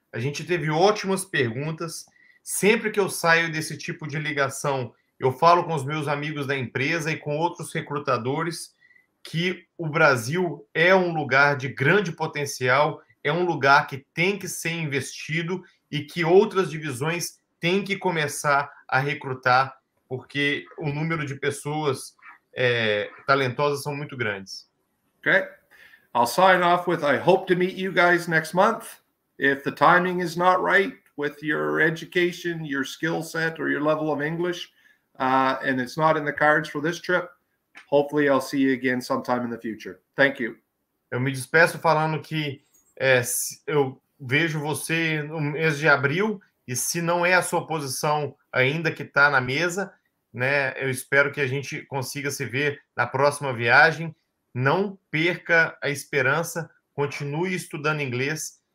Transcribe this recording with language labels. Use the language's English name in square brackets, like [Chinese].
[Portuguese] A gente teve ótimas perguntas. Sempre que eu saio desse tipo de ligação, eu falo com os meus amigos da empresa e com outros recrutadores que o Brasil é um lugar de grande potencial, é um lugar que tem que ser investido e que outras divisões têm que começar a recrutar, porque o número de pessoas talentosas são muito grandes. [English] Okay. I'll sign off with, I hope to meet you guys next month. If the timing is not right with your education, your skill set, or your level of English, and it's not in the cards for this trip, hopefully I'll see you again sometime in the future. Thank you. [Portuguese] Eu me despeço falando que eu vejo você no mês de abril, e se não é a sua posição ainda que está na mesa, né, eu espero que a gente consiga se ver na próxima viagem. Não perca a esperança, continue estudando inglês.